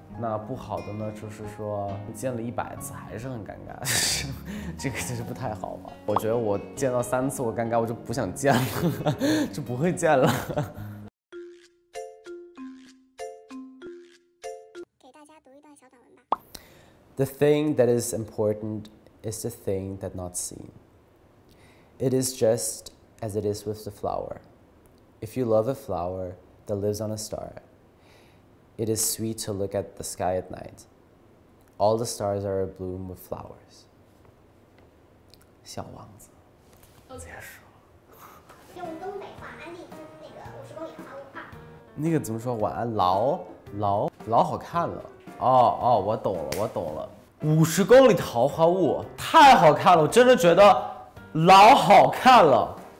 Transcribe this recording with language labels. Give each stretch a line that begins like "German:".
Chinese: 那不好的呢，就是说见了100次还是很尴尬，这个就是不太好吧。我觉得我见到3次我尴尬，我就不想见了，就不会见了。给大家读一段小短文吧。
English: The thing that is important is the thing that not seen. It is just as it is with the flower. If you love a flower that lives on a star, it is sweet to look at the sky at night. All the stars are abloom with flowers.
Chinese: 小王子。结束。用东北话安利那个50公里那个怎么说？晚安，老好看了。哦，我懂了，我懂了。 50公里桃花坞太好看了，我真的觉得老好看了。